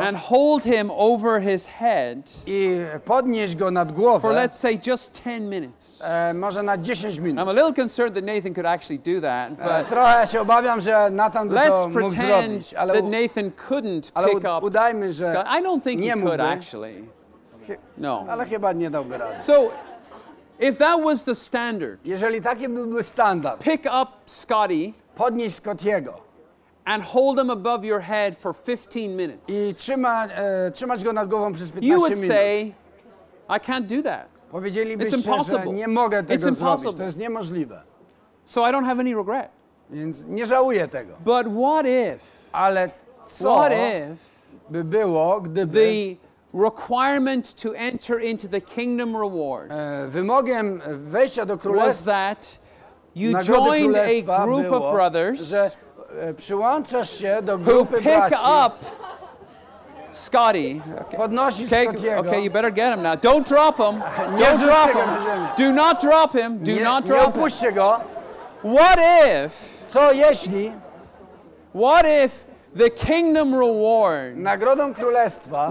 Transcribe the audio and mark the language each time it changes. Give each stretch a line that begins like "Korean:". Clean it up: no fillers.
English: and hold him over his head
Polish: i podnieść go nad głowę
English: for let's say just 10 minutes.
Polish: Może na 10 minut.
English: I'm a little concerned that Nathan could actually do that, but
Polish: trochę się obawiam, że Nathan by
English: let's
Polish: to mógł
English: pretend
Polish: zrobić, ale
English: that Nathan couldn't
Polish: ale
English: pick up
Polish: udajmy, że
English: Scott. I don't think
Polish: nie
English: he
Polish: mógłby.
English: Could actually. No.
Polish: Ale chyba nie dałby rady.
English: So, if that was the standard,
Polish: jeżeli taki byłby standard,
English: pick up Scotty,
Polish: podnieś Scottiego,
English: and hold him above your head for 15 minutes,
Polish: i trzymać go nad głową przez 15 minut,
English: you would
Polish: minut.
English: Say, I can't do that.
Polish: Powiedzielibyście, że nie mogę tego
English: It's impossible.
Polish: Zrobić. To jest niemożliwe.
English: So I don't have any regret.
Polish: Więc nie żałuję tego.
English: But what if?
Polish: Ale co?
English: What if?
Polish: By było, gdyby
English: the requirement to enter into the kingdom reward.
Polish: Wymogiem wejścia do królestwa.
English: Was that you joined a group
Polish: było,
English: of brothers?
Polish: Że przyłączasz się do grupy
English: who pick
Polish: braci.
English: Up Scotty?
Polish: Podnosi Scottiego.
English: Okay, you better get him now. Don't drop him. Don't drop him. Do not drop him. Do
Polish: nie,
English: not drop
Polish: nie opuśćcie go.
English: What if?
Polish: Co jeśli?
English: What if? The kingdom reward.
Polish: Nagrodą królestwa.